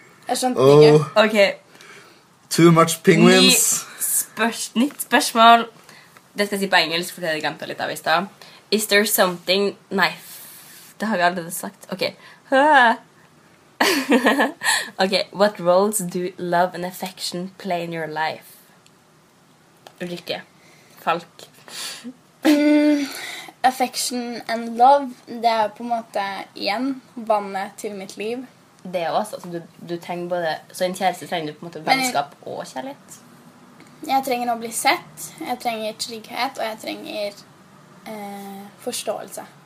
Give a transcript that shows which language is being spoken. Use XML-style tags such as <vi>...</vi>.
<no>Jeg skjønte ikke. Okay.</no> <en>Too much penguins.</en> <no>Nytt spørsmål. Det skal jeg si på engelsk, for det jeg glemte litt av i sted.</no> <en>Is there something...</en> <no>Nei, det har vi allerede sagt. Okay.</no> <en>Okay, what roles do love and affection play in your life?</en> <no>Ulrike, Falk.</no> <en>Affection and love,</en> <no>det på en måte igjen vannet til mitt liv. Det også, altså du trenger både, så en kjæreste trenger du på en måte vennskap og kjærlighet. Jeg trenger å bli sett, jeg trenger trygghet, og jeg trenger forståelse.</no>